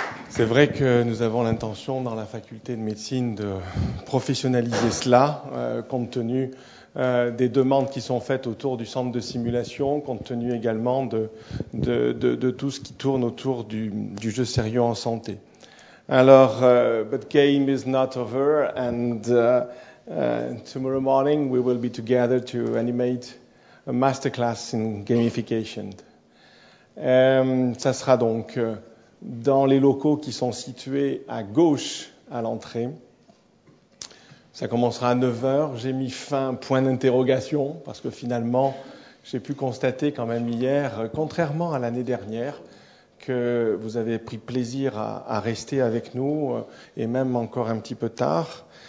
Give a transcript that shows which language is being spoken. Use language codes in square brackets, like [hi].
[fr] C'est vrai que nous avons l'intention dans la faculté de médecine de professionnaliser cela, compte tenu des demandes qui sont faites autour du centre de simulation, compte tenu également de tout ce qui tourne autour du jeu sérieux en santé. [en] Alors, but game is not over, and tomorrow morning we will be together to animate a masterclass in gamification. [fr] Ça sera donc dans les locaux qui sont situés à gauche à l'entrée. Ça commencera à 9h. J'ai mis fin, point d'interrogation, parce que finalement, j'ai pu constater quand même hier, contrairement à l'année dernière, que vous avez pris plaisir à rester avec nous, et même encore un petit peu tard.